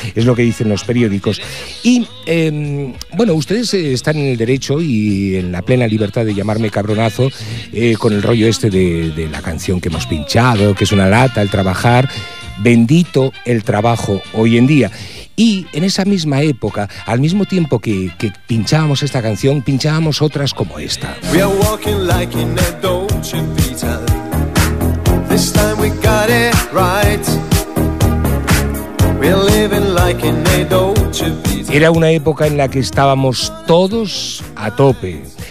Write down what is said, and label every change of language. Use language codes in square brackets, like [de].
[es] Es lo que dicen los periódicos. Y bueno, ustedes están en el derecho y en la plena libertad de llamarme cabronazo con el rollo este de la canción que hemos pinchado, que es una lata el trabajar. Bendito el trabajo hoy en día. Y en esa misma época, al mismo tiempo que pinchábamos esta canción, pinchábamos otras como esta. [en] We are walking like in a Dolce Vita. This time we got it right. We're living like in a Dolce Vita. [es] Era una época en la que estábamos todos a tope.